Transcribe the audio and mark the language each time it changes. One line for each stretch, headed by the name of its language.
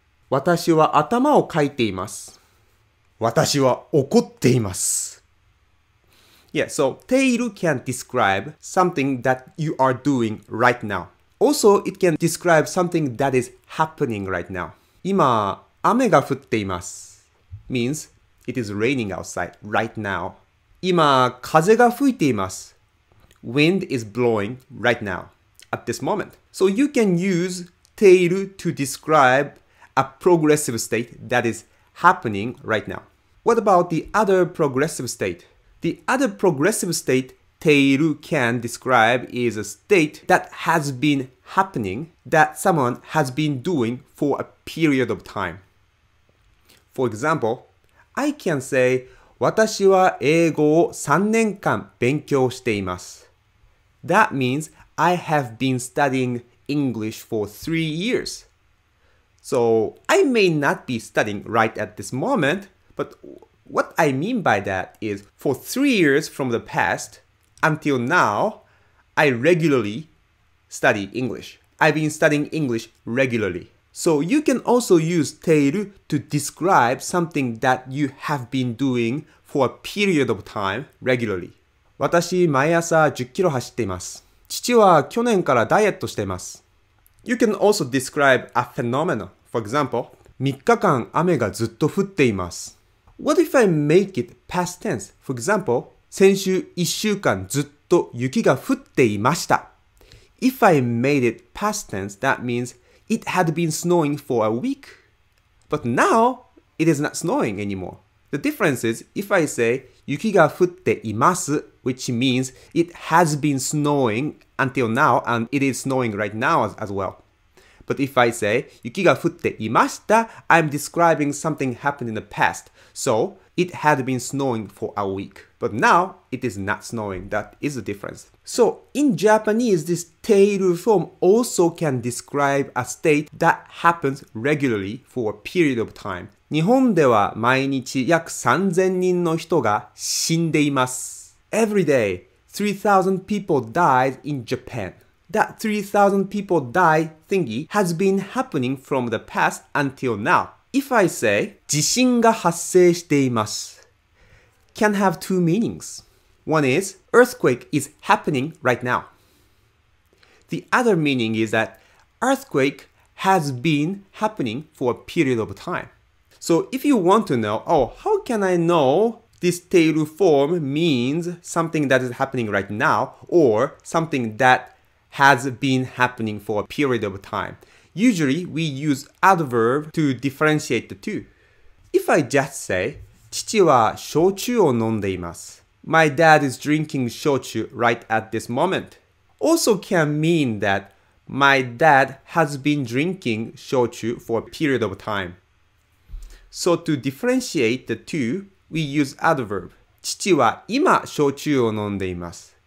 Japanese: 私は頭をかいています。私は怒っています。
English: Yeah, so teiru can describe something that you are doing right now. Also, it can describe something that is happening right now.
Japanese: 今、雨が降っています。
English: Means, it is raining outside right now.
Japanese: 今、風が吹いています。
English: Wind is blowing right now, at this moment. So you can use teiru to describe a progressive state that is happening right now. What about the other progressive state? The other progressive state teiru can describe is a state that has been happening that someone has been doing for a period of time. For example, I can say,
Japanese: 私は英語を3年間勉強しています。
English: That means I have been studying English for 3 years. So I may not be studying right at this moment, but what I mean by that is for 3 years from the past until now, I regularly study English. I've been studying English regularly. So you can also use teiru to describe something that you have been doing for a period of time regularly.
Japanese: 私毎朝10キロ走っています。父は去年からダイエットしています。
English: You can also describe a phenomenon. For example,
Japanese: 3日間雨がずっと降っています。
English: What if I make it past tense? For example,
Japanese: 先週1週間ずっと雪が降っていました。
English: If I made it past tense, that means it had been snowing for a week. But now, it is not snowing anymore. The difference is, if I say
Japanese: 雪が降っています
English: which means it has been snowing until now and it is snowing right now as well. But if I say
Japanese: 雪が降っていました,
English: I'm describing something happened in the past. So it had been snowing for a week. But now it is not snowing. That is the difference. So in Japanese, this teiru form also can describe a state that happens regularly for a period of time.
Japanese: 日本では毎日約3000人の人が死んでいます。
English: Every day, 3,000 people died in Japan. That 3,000 people die thingy has been happening from the past until now. If I say,
Japanese: 地震が発生しています,
English: can have two meanings. One is, earthquake is happening right now. The other meaning is that earthquake has been happening for a period of time. So if you want to know, oh, how can I know? This teiru form means something that is happening right now or something that has been happening for a period of time. Usually, we use adverb to differentiate the two. If I just say,
Japanese: 父は焼酎を飲んでいます。
English: My dad is drinking 焼酎 right at this moment. Also can mean that my dad has been drinking 焼酎 for a period of time. So to differentiate the two,We use adverb.
Japanese: 父は今焼酎を飲んでいます